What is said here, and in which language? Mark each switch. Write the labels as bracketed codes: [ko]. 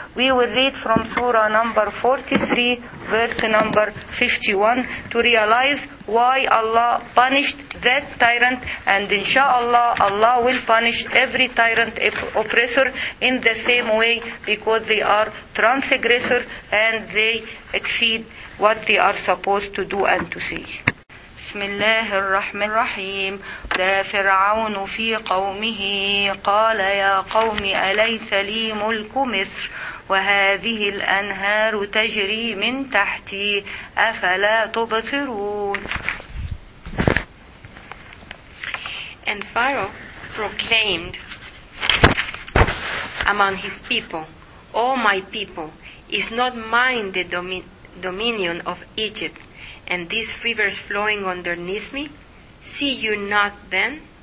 [en] We will read from Surah number 43, verse number 51, to realize why Allah punished that tyrant, and inshallah, Allah will punish every tyrant oppressor in the same way, because they are transgressor and they exceed what they are supposed to do and to say. [ar] بسم الله الرحمن الرحيم دا فرعون في قومه قال يا قوم أليس لي ملك مصر وهذه الأنهار تجري من تحتي أفلا تبصرون. [en] And Pharaoh proclaimed among his people, O my people, is not mine the dominion of Egypt and these rivers flowing underneath me? See you not then?